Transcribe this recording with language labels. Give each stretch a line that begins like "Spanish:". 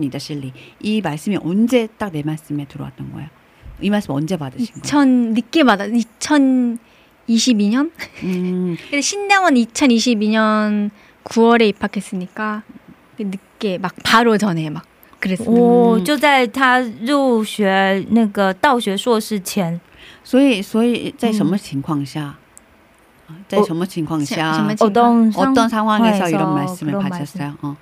Chinese: 好像我又走这条路，可是有点有一些压力吧，压力。可是他后来，他自己听到了上帝的呼召，是吧？我一下，对对对，以赛亚六章八节是讲说，我又听见主的声音说，我可以差遣谁？能谁可为我们去呢？我说我在这里，请差遣我。这个话语特别明确啊，对，说的特别明确。哇，所以什么时候发现这个话语的？什么时候这个话语进到你的心里？
Korean: 이 말씀이 언제 딱 내 말씀에 들어왔던 거예요? 이 말씀 언제 받으신 거예요? 전 늦게 받아. 2022년? 근데 신대원 2022년 9월에 입학했으니까 늦게 막 바로 전에 막 그랬어요.
Chinese: 오, 就在他入学那个道学硕士前。所以在什么情况下？在什么情况下？
Korean: 어떤 상황에서 이런 말씀을 받으셨어요?